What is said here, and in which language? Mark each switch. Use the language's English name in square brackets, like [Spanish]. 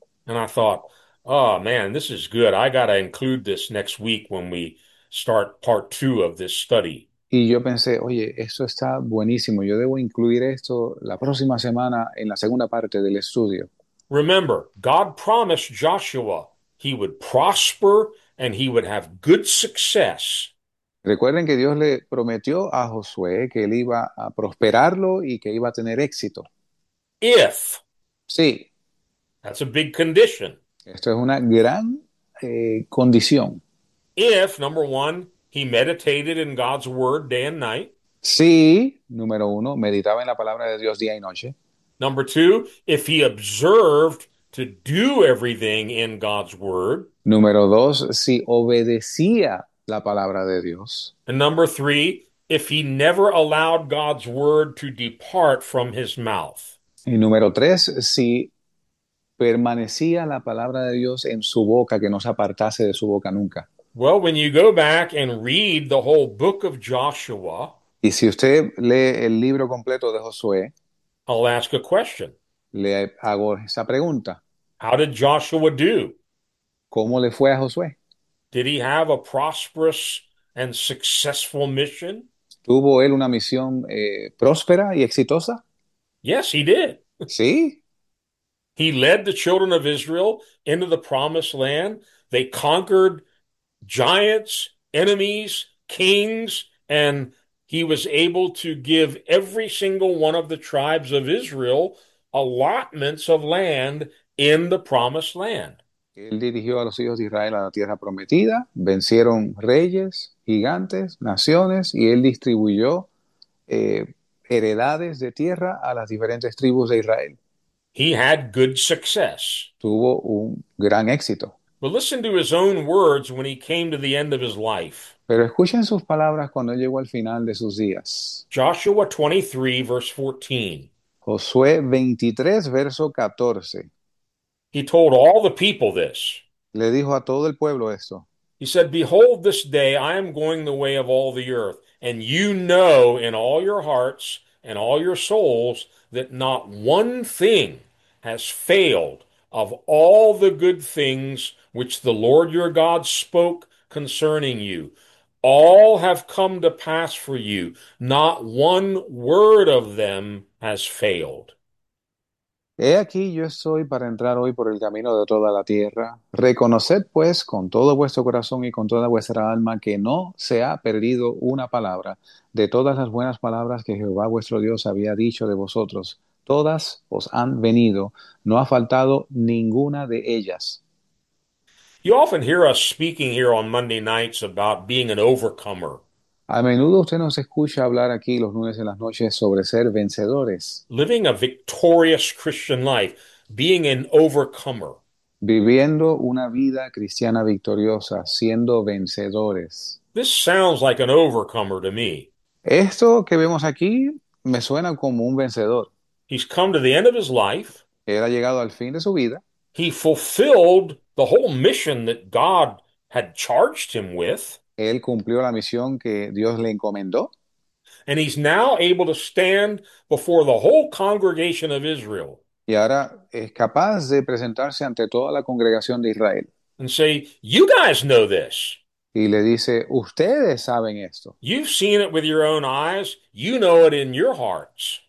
[English] And I thought, oh man, this is good. I got to include this next week when we start part two of this study. [Spanish] Y yo pensé, oye, esto está buenísimo. Yo debo incluir esto la próxima semana en la segunda parte del estudio. [English] Remember, God promised Joshua he would prosper and he would have good success. [Spanish] Recuerden que Dios le prometió a Josué que él iba a prosperarlo y que iba a tener éxito. [English] If [Spanish] Sí. [English] that's a big condition. [Spanish] Esto es una gran condición. [English] If, number one, he meditated in God's word day and night. [Spanish] Sí, número uno, meditaba en la palabra de Dios día y noche. [English] Number two, if he observed to do everything in God's word. [Spanish] Número dos, si obedecía la palabra de Dios. [English] And number three, if he never allowed God's word to depart from his mouth. [Spanish] Y número tres, si permanecía la palabra de Dios en su boca, que no se apartase de su boca nunca. [English] Well, when you go back and read the whole book of Joshua, [Spanish] Y si usted lee el libro completo de Josué, [English] I'll ask a question. [Spanish] le hago esa pregunta. [English] How did Joshua do? [Spanish] ¿Cómo le fue a Josué? [English] Did he have a prosperous and successful mission? [Spanish] ¿Tuvo él una misión próspera y exitosa? [English] Yes, he did. [Spanish] Sí. [English] He led the children of Israel into the promised land. They conquered giants, enemies, kings, and he was able to give every single one of the tribes of Israel allotments of land in the promised land. [Spanish] Él dirigió a los hijos de Israel a la tierra prometida, vencieron reyes, gigantes, naciones, y él distribuyó heredades de tierra a las diferentes tribus de Israel. [English] He had good success. [Spanish] Tuvo un gran éxito. [English] But listen to his own words when he came to the end of his life. [Spanish] Pero escuchen sus palabras cuando llegó al final de sus días. [English] Joshua 23, verse 14. [Spanish] Josué 23, verso 14. [English] He told all the people this. [Spanish] Le dijo a todo el pueblo esto. [English] He said, behold, this day I am going the way of all the earth, and you know in all your hearts and all your souls that not one thing has failed of all the good things which the Lord your God spoke concerning you. All have come to pass for you. Not one word of them has failed. [Spanish] He aquí yo estoy para entrar hoy por el camino de toda la tierra. Reconoced pues con todo vuestro corazón y con toda vuestra alma que no se ha perdido una palabra de todas las buenas palabras que Jehová vuestro Dios había dicho de vosotros. Todas os han venido, no ha faltado ninguna de ellas. [English] You often hear us speaking here on Monday nights about being an overcomer. [Spanish] A menudo usted nos escucha hablar aquí los lunes en las noches sobre ser vencedores. [English] Living a victorious Christian life, being an overcomer. [Spanish] Viviendo una vida cristiana victoriosa, siendo vencedores. [English] This sounds like an overcomer to me. [Spanish] Esto que vemos aquí me suena como un vencedor. [English] He's come to the end of his life. [Spanish] Él ha llegado al fin de su vida. [English] He fulfilled the whole mission that God had charged him with. [Spanish] Él cumplió la misión que Dios le encomendó. [English] And he's now able to stand before the whole congregation of Israel [Spanish] Y ahora es capaz de presentarse ante toda la congregación de Israel. [English] and say, "You guys know this. [Spanish] Y le dice, ustedes saben esto. [English] You've seen it with your own eyes. You know it in your hearts."